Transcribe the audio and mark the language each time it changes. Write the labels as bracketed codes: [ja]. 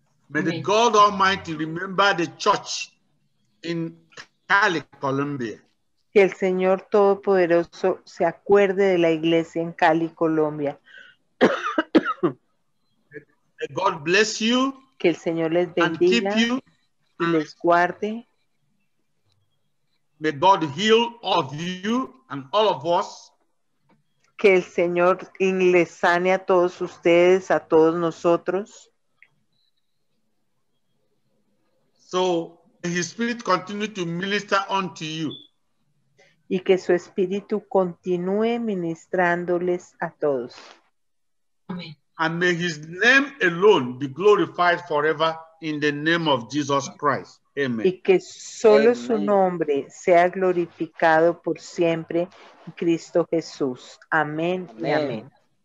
[en] May the God Almighty remember the church in Cali, Colombia. [es] Que el Señor Todopoderoso se acuerde de la iglesia en Cali, Colombia. [en] May God bless you. [es] Que el Señor les bendiga. [en] And keep you. [es] Les guarde. [en] May God heal all of you and all of us. [es] que el Señor les sane a todos ustedes, a todos nosotros. [en] So his spirit continue to minister unto you. [es] Y que su espíritu continúe ministrándoles a todos. [en] Amen. And may his name alone be glorified forever in the name of Jesus Christ. Amen. [es] Y que solo Amen. Su nombre sea glorificado por siempre, Cristo Jesús. Amén. Amen. Y amén.